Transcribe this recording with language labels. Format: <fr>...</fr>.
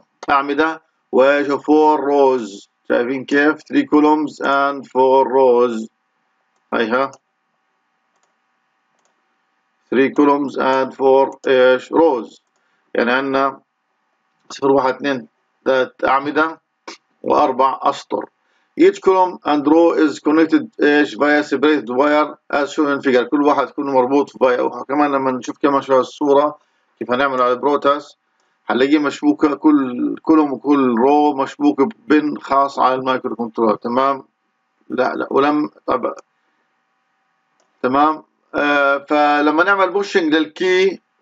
<ar>اعمده وايش 4 روز، شايفين كيف 3 كولومز اند 4 روز، هيها 3 كولومز اند 4 ايش روز، يعني عندنا 0 1 2 ثلاث اعمده واربع اسطر.</ar> <en>Each column and row is connected via separated wire as shown in figure.</en> <ar>كل واحد يكون مربوط في باي. وكمان لما نشوف كمان شو الصورة كيف هنعمل على البروتاس، هنلاقيه مشبوكة كل كولوم وكل رو مشبوك ببن خاص على المايكرو كنترول، تمام. لا ولم طب تمام. فلما نعمل بوشنج للكي</ar>